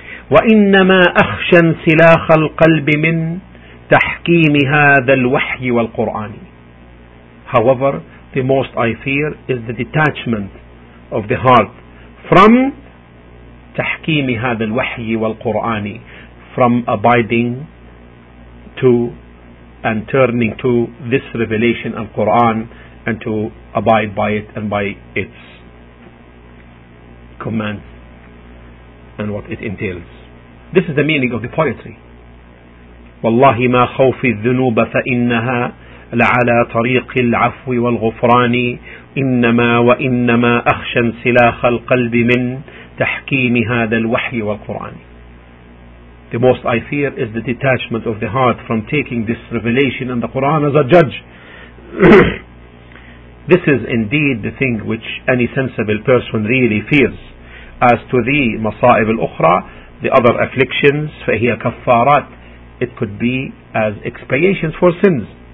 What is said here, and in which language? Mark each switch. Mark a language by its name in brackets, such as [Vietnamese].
[Arabic] وإنما أخشى انسلاخ القلب من تحكيم هذا الوحي والقرآن. [English] However, the most I fear is the detachment of the heart from [Arabic] تحكيم هذا الوحي والقرآن, [English] from abiding to and turning to this revelation and Quran, and to abide by it and by its commands and what it entails. This is the meaning of the poetry. [Arabic] والله ما خوف الذنوب فإنها لعلى طريق العفو والغفران, إنما وإنما أخشى انسلاخ القلب من تحكيم هذا الوحي والقرآن. [English] The most I fear is the detachment of the heart from taking this revelation and the Quran as a judge. This is indeed the thing which any sensible person really fears. As to the masa'ib al-ukhra, the other afflictions, [Arabic] فهي كفارات, [English] it could be as expiations for sins.